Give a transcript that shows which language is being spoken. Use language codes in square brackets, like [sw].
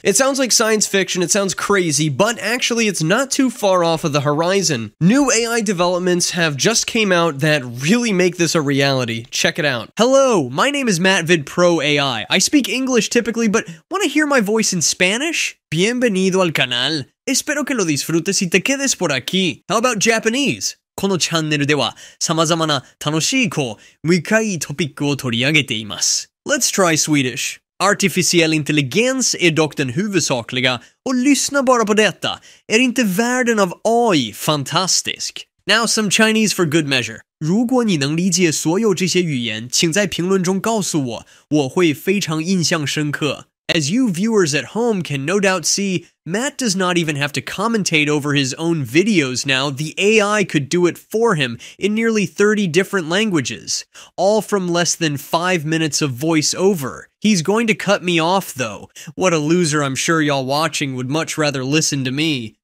[en] It sounds like science fiction, it sounds crazy, but actually it's not too far off of the horizon. New AI developments have just came out that really make this a reality. Check it out. Hello, my name is MattVidPro AI. I speak English typically, but want to hear my voice in Spanish? [es] Bienvenido al canal. Espero que lo disfrutes y te quedes por aquí. [en] How about Japanese? [ja] このチャンネルでは様々な楽しいこう、未開トピックを取り上げています。 [en] Let's try Swedish. [sv] Artificiell intelligens är dock den huvudsakliga, och lyssna bara på detta. Är inte världen av AI fantastisk? [en] Now some Chinese for good measure. [zh] 如果你能理解所有这些语言，请在评论中告诉我，我会非常印象深刻。 [en] As you viewers at home can no doubt see, Matt does not even have to commentate over his own videos now. The AI could do it for him in nearly 30 different languages, all from less than 5 minutes of voice over. He's going to cut me off, though. What a loser, I'm sure y'all watching would much rather listen to me.